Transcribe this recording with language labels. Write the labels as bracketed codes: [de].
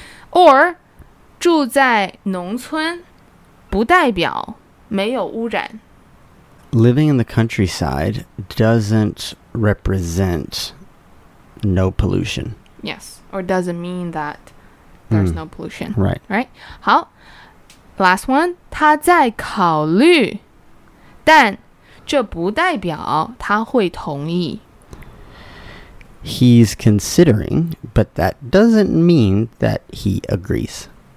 [zh] Or 住在农村不代表没有污染 [en] Living in the countryside doesn't represent no pollution. Yes, or doesn't mean that there's no pollution. Right. Right? 好, last one. [zh] 他在考虑,但这不代表他会同意。 [en] He's considering, but that doesn't mean that he agrees.